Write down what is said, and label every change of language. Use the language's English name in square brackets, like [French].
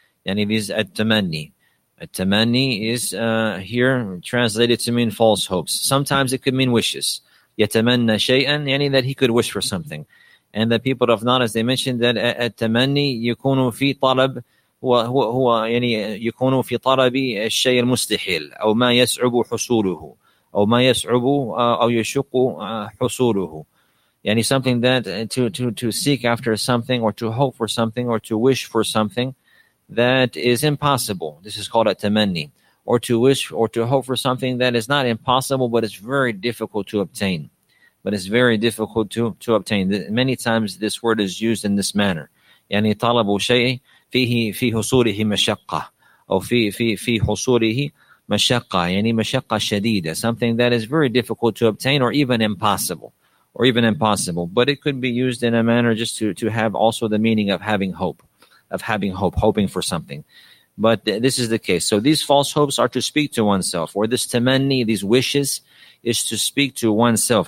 [English] And it is التمني. التمني is here translated to mean false hopes. Sometimes it could mean wishes. [Arabic] يَتَمَنَّ شَيْئًا [English] يعني that he could wish for something. And the people of knowledge, they mentioned that [Arabic] التمني يكون في طلب هو يعني يكون في طلب الشيء المستحيل أو ما يصعب حصوله أو ما يصعب أو يشق حصوله. [English] يعني something that to seek after something or to hope for something or to wish for something that is impossible. This is called a tamanni. Or to wish or to hope for something that is not impossible, but it's very difficult to obtain. But it's very difficult to obtain. Many times this word is used in this manner. [Arabic] يعني طلب شيء في حصوله مشقة أو في حصوله مشقة يعني مشقة شديدة. [English] Something that is very difficult to obtain or even impossible. But it could be used in a manner just to have also the meaning of having hope. Of having hope, hoping for something. But this is the case. So these false hopes are to speak to oneself. Or this tamanni, these wishes, is to speak to oneself.